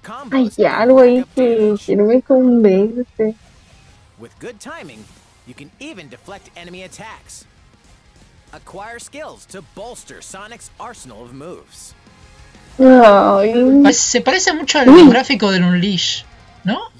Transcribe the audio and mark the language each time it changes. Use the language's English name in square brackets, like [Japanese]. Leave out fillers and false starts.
[Spanish] Hay algo ahí que no me convence. [English] With good timing, you can even deflect enemy attacks. Acquire skills to bolster Sonic's arsenal of moves. Ay. [Spanish] Se parece mucho al gráfico del Unleash, ¿no?